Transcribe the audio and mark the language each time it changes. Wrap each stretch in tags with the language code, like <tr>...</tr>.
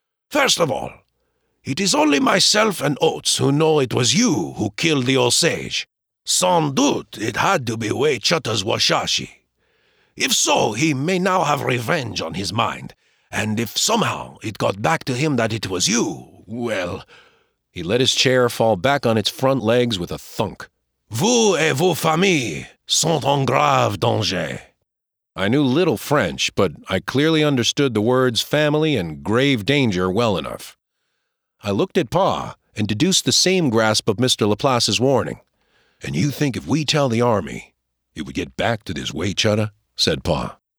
<en>First of all, it is only myself and Oates who know it was you who killed the Osage.</en> <fr>Sans doute,</fr> <en>it had to be Wei Chuta's Washashi. If so, he may now have revenge on his mind, and if somehow it got back to him that it was you, well... He let his chair fall back on its front legs with a thunk.</en> <fr>Vous et vos familles sont en grave danger.</fr> <en>I knew little French, but I clearly understood the words family and grave danger well enough. I looked at Pa and deduced the same grasp of Mr. Laplace's warning. And you think if we tell the army, it would get back to this Wei Chuta? Said Pa.</en>